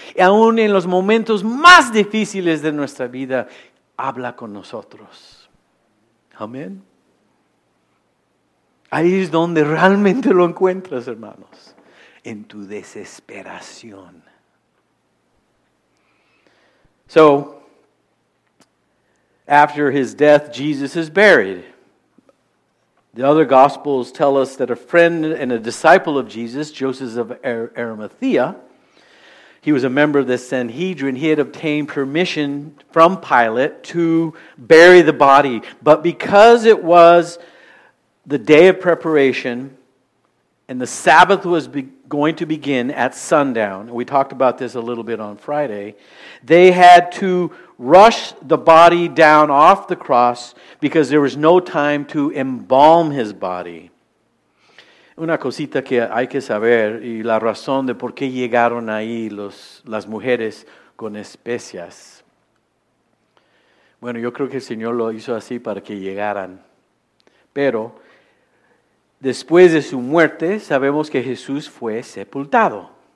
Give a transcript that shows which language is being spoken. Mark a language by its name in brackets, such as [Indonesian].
[Spanish] Y aún en los momentos más difíciles de nuestra vida, habla con nosotros. Amén. Ahí es donde realmente lo encuentras, hermanos, en tu desesperación. [English] So, after his death, Jesus is buried. The other Gospels tell us that a friend and a disciple of Jesus, Joseph of Arimathea, he was a member of the Sanhedrin, he had obtained permission from Pilate to bury the body. But because it was the day of preparation and the Sabbath was going to begin at sundown, we talked about this a little bit on Friday, they had to rush the body down off the cross because there was no time to embalm his body. [Spanish] Una cosita que hay que saber y la razón de por qué llegaron ahí las mujeres con especias. Bueno, yo creo que el Señor lo hizo así para que llegaran. Pero después de su muerte, sabemos que Jesús fue sepultado.